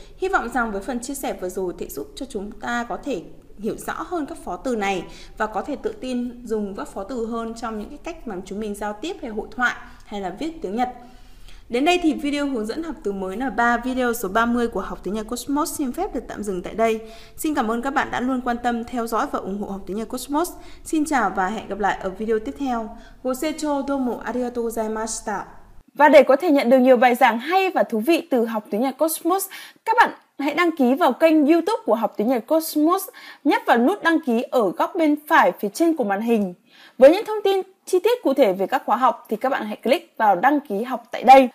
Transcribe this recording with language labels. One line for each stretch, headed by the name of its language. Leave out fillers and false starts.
Vietnamese: Hy vọng rằng với phần chia sẻ vừa rồi sẽ giúp cho chúng ta có thể hiểu rõ hơn các phó từ này và có thể tự tin dùng các phó từ hơn trong những cái cách mà chúng mình giao tiếp hay hội thoại hay là viết tiếng Nhật. Đến đây thì video hướng dẫn học từ mới là 3 video số 30 của Học Tiếng Nhật Cosmos xin phép được tạm dừng tại đây. Xin cảm ơn các bạn đã luôn quan tâm, theo dõi và ủng hộ Học Tiếng Nhật Cosmos. Xin chào và hẹn gặp lại ở video tiếp theo.
Japanese: ご清聴どうもありがとうございました。
Vietnamese: Và để có thể nhận được nhiều bài giảng hay và thú vị từ Học Tiếng Nhật Cosmos, các bạn hãy đăng ký vào kênh YouTube của Học Tiếng Nhật Cosmos, nhấp vào nút đăng ký ở góc bên phải phía trên của màn hình. Với những thông tin chi tiết cụ thể về các khóa học thì các bạn hãy click vào đăng ký học tại đây.